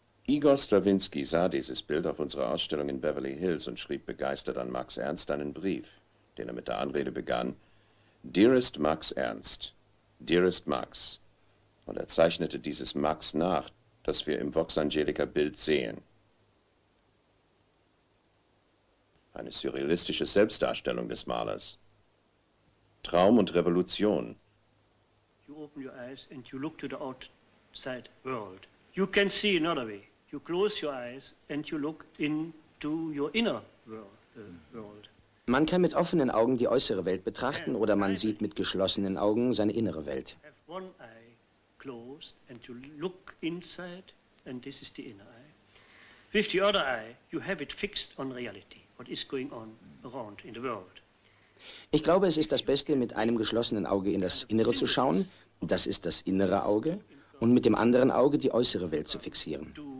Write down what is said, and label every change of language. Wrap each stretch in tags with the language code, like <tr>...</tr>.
<de>Igor Stravinsky sah dieses Bild auf unserer Ausstellung in Beverly Hills und schrieb begeistert an Max Ernst einen Brief, den er mit der Anrede begann,</de> <en>Dearest Max Ernst, Dearest Max.</en> <de>Und er zeichnete dieses Max nach, das wir im Vox Angelica Bild sehen. Eine surrealistische Selbstdarstellung des Malers. Traum und Revolution.</de> <en>you open your eyes and you look to the outside world. You can see another way. You close your eyes and you look into your inner world.</en> <de>Man kann mit offenen Augen die äußere Welt betrachten oder man sieht mit geschlossenen Augen seine innere Welt.</de> <en>One eye closed and you look inside and this is the inner eye. With the other eye you have it fixed on reality, what is going on around in the world.</en> <de>Ich glaube, es ist das Beste, mit einem geschlossenen Auge in das Innere zu schauen, das ist das innere Auge, und mit dem anderen Auge die äußere Welt zu fixieren.</de>